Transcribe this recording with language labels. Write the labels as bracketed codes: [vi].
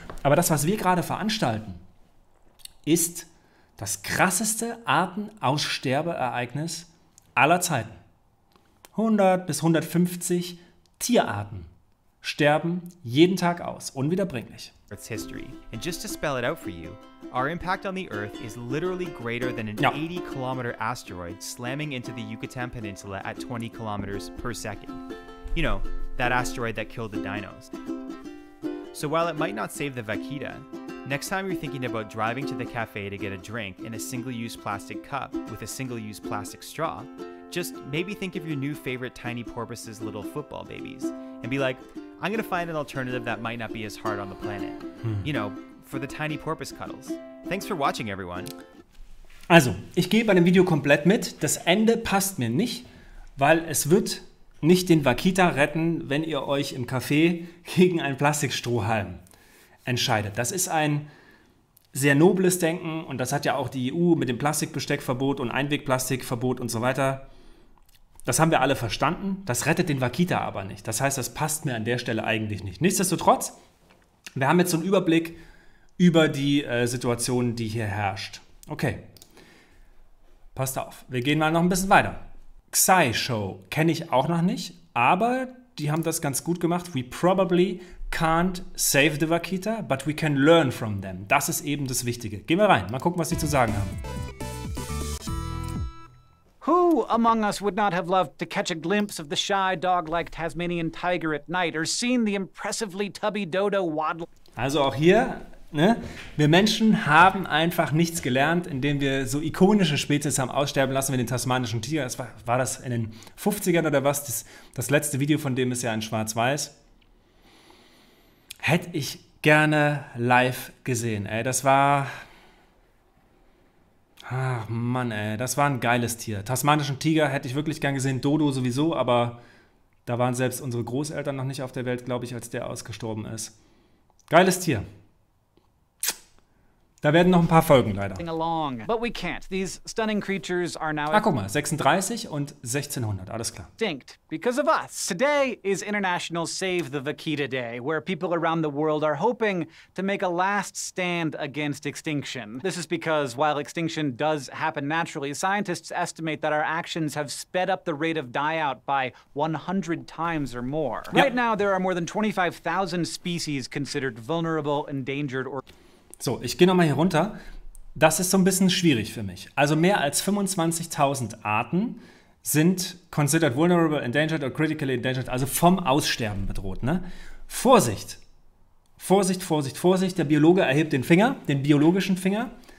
[de] Aber das, was wir gerade veranstalten, ist das krasseste Artenaussterbeereignis aller Zeiten. 100 bis 150 Tierarten sterben jeden Tag aus, unwiederbringlich. [en] It's history. And just to spell it out for you, our impact on the Earth is literally greater than an 80-kilometer asteroid slamming into the Yucatan Peninsula at 20 kilometers per second. You know, that asteroid that killed the dinos. So while it might not save the vaquita, next time you're thinking about driving to the cafe to get a drink in a single-use plastic cup with a single-use plastic straw, just maybe think of your new favorite tiny porpoise's little football babies and be like, I'm gonna find an alternative that might not be as hard on the planet. You know, for the tiny porpoise cuddles. Thanks for watching, everyone. [de] Also, ich gehe bei dem Video komplett mit. Das Ende passt mir nicht, weil es wird nicht den Vaquita retten, wenn ihr euch im Café gegen einen Plastikstrohhalm entscheidet. Das ist ein sehr nobles Denken und das hat ja auch die EU mit dem Plastikbesteckverbot und Einwegplastikverbot und so weiter. Das haben wir alle verstanden. Das rettet den Vaquita aber nicht. Das heißt, das passt mir an der Stelle eigentlich nicht. Nichtsdestotrotz, wir haben jetzt so einen Überblick über die Situation, die hier herrscht. Okay, passt auf. Wir gehen mal noch ein bisschen weiter. Xai Show kenne ich auch noch nicht, aber die haben das ganz gut gemacht. [en] We probably can't save the vaquita, but we can learn from them. [de] Das ist eben das Wichtige. Gehen wir rein, mal gucken, was sie zu sagen haben. [en] Who among us would not have loved to catch a glimpse of the shy dog-like Tasmanian tiger at night or seen the impressively tubby dodo waddle? [de] Also auch hier, ne? Wir Menschen haben einfach nichts gelernt, indem wir so ikonische Spezies haben aussterben lassen wie den tasmanischen Tiger. Das war das in den 50ern oder was? Das letzte Video von dem ist ja in Schwarz-Weiß. Hätte ich gerne live gesehen, ey. Das war... Ach Mann, ey, das war ein geiles Tier. Tasmanischen Tiger hätte ich wirklich gern gesehen, Dodo sowieso, aber da waren selbst unsere Großeltern noch nicht auf der Welt, glaube ich, als der ausgestorben ist. Geiles Tier. Da werden noch ein paar Folgen, leider. [en] But we can't. These stunning creatures are now... [de] Ah, guck mal, 36 und 1600, alles klar. [en] Distinct because of us. Today is International Save the Vaquita Day, where people around the world are hoping to make a last stand against extinction. This is because while extinction does happen naturally, scientists estimate that our actions have sped up the rate of die-out by 100 times or more. Ja. Right now there are more than 25,000 species considered vulnerable, endangered or... [de] So, ich gehe nochmal hier runter. Das ist so ein bisschen schwierig für mich. Also mehr als 25.000 Arten sind [en] considered vulnerable, endangered or critically endangered, [de] also vom Aussterben bedroht. Ne? Vorsicht! Vorsicht, Vorsicht, Vorsicht! Der Biologe erhebt den Finger, den biologischen Finger.